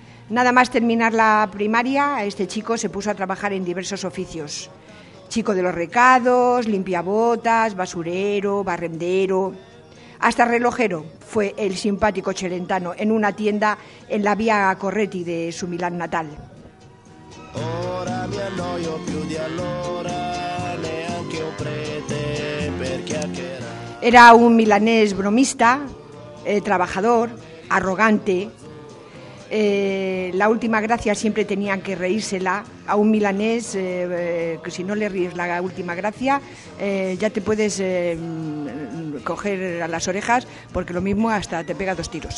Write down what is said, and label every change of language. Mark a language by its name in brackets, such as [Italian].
[Spanish] Nada más terminar la primaria, este chico se puso a trabajar en diversos oficios. Chico de los recados, limpiabotas, basurero, barrendero, hasta relojero. Fue el simpático Sedentano en una tienda en la vía Corretti de su Milán natal. [Italian] Ora mi annoio più di allora, neanche un prete per chiacchierare. [Spanish] Era un milanés bromista, trabajador, arrogante. La última gracia siempre tenían que reírsela. A un milanés, que si no le ríes la última gracia, ya te puedes coger a las orejas, porque lo mismo hasta te pega 2 tiros.